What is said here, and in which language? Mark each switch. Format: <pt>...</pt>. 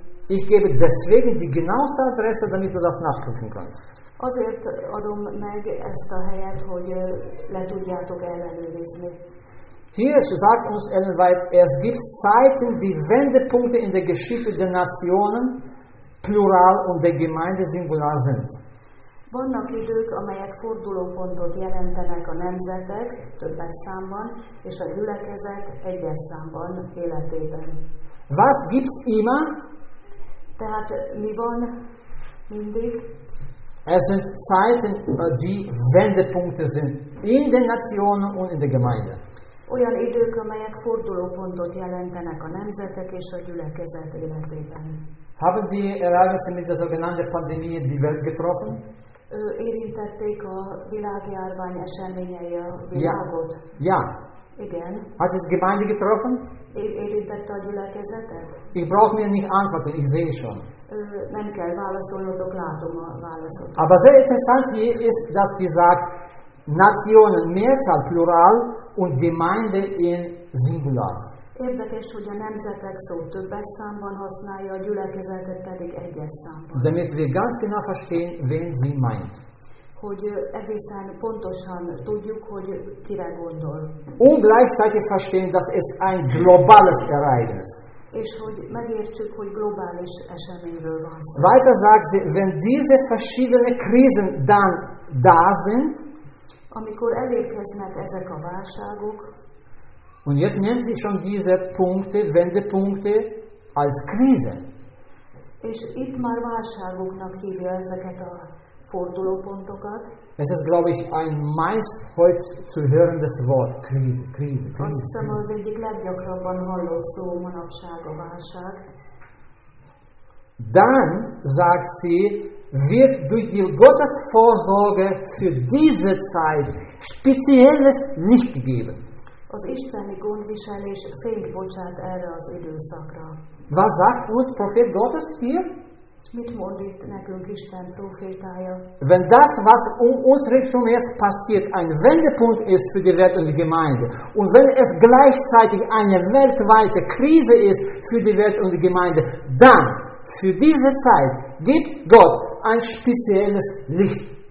<de>Ich gebe deswegen die genaueste Adresse, damit du das nachprüfen kannst.</de> <hu>Azért adom meg ezt a helyet, hogy le tudjátok ellenőrizni.</hu> <de>Hier sagt uns Ellen White, es gibt Zeiten, die Wendepunkte in der Geschichte der Nationen, plural und der Gemeinde singular sind.</de> <hu>Vannak idők, amelyek fordulópontot jelentenek a nemzetek, többes számban, és a gyülekezet egyes számban életében.</hu> <de>Was gibt's immer?</de> <hu>Tehát mi van mindig?</hu> <de>Es sind Zeiten, die Wendepunkte sind in den Nationen und in der Gemeinde.</de> <hu>Olyan idők, amelyek fordulópontot jelentenek a nemzetek és a gyülekezet életében.</hu> <de>Haben die Ereignisse mit der sogenannten Pandemie die Welt getroffen?</de> <hu>Érintették a világjárvány eseményei a világot?</hu> <de>Ja.</de> <hu>Igen.</hu> <de>Hat die Gemeinde getroffen?</de> <hu>Érintette a gyülekezetet?</hu> <de>Ich brauche mir nicht antworten, ich sehe schon.</de> <hu>Nem kell válaszolnotok, látom a válaszot.</hu> <de>Aber sehr interessant ist, dass die sagt, Nationen mehrzahl plural und Gemeinde in singular.</de> <hu>Érdekes, hogy a nemzetek szó többes számban használja, a gyülekezetet pedig egyes számban.</hu> <de>Damit wir ganz genau verstehen, wen sie meint.</de> <hu>Hogy egészen pontosan tudjuk, hogy kire gondol.</hu> <de>Und gleichzeitig verstehen, dass es ein globales Ereignis.</de> <hu>És hogy megértsük, hogy globális eseményről van szó.</hu> <de>Weiter sagt sie, wenn diese verschiedene Krisen dann da sind,</de> <hu>amikor elérkeznek ezek a válságok.</hu> <de>Und jetzt nennen Sie schon diese Punkte, Wendepunkte als Krise.</de> <hu>És itt már válságoknak hívja ezeket a fordulópontokat.</hu> <de>Es ist, glaube ich, ein meist heute zu hörendes Wort, Krise.</de> <hu>Azt hiszem, az egyik leggyakrabban hallott szó manapság a válság.</hu> <de>Dann, sagt sie, wird durch die Gottesvorsorge für diese Zeit Spezielles nicht gegeben.</de> <hu>Az isteni gondviselés fényt bocsát erre az időszakra.</hu> <de>Was sagt uns Prophet Gottes hier?</de> <hu>Mit mond itt nekünk Isten prófétája?</hu> <de>Wenn das, was um uns schon jetzt passiert, ein Wendepunkt ist für die Welt und die Gemeinde, und wenn es gleichzeitig eine weltweite Krise ist für die Welt und die Gemeinde, dann für diese Zeit gibt Gott ein spezielles Licht.</de>